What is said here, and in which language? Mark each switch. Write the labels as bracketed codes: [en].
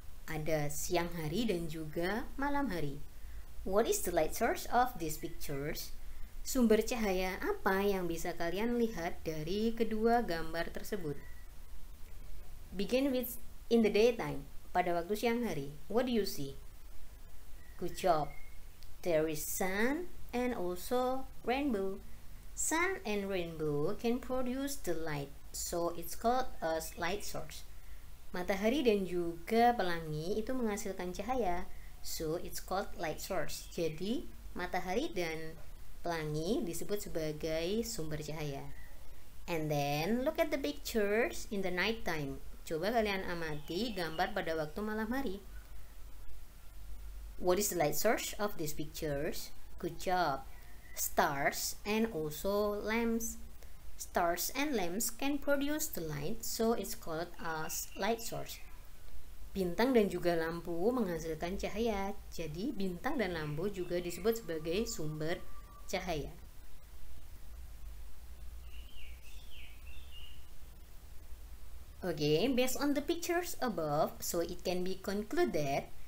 [id] Ada siang hari dan juga malam hari. [en] What is the light source of these pictures? [id] Sumber cahaya apa yang bisa kalian lihat dari kedua gambar tersebut? [en] Begin with in the daytime. [id] Pada waktu siang hari. [en] What do you see? Good job. There is sun and also rainbow. Sun and rainbow can produce the light, so it's called a light source. [id] Matahari dan juga pelangi itu menghasilkan cahaya, [en] so it's called light source. [id] Jadi matahari dan pelangi disebut sebagai sumber cahaya. [en] And then look at the pictures in the night time. [id] Coba kalian amati gambar pada waktu malam hari. [en] What is the light source of these pictures? Good job. stars and also lamps. Stars and lamps can produce the light, so it's called as light source. [id] Bintang dan juga lampu menghasilkan cahaya, jadi bintang dan lampu juga disebut sebagai sumber cahaya. [en] Okay, based on the pictures above, so it can be concluded.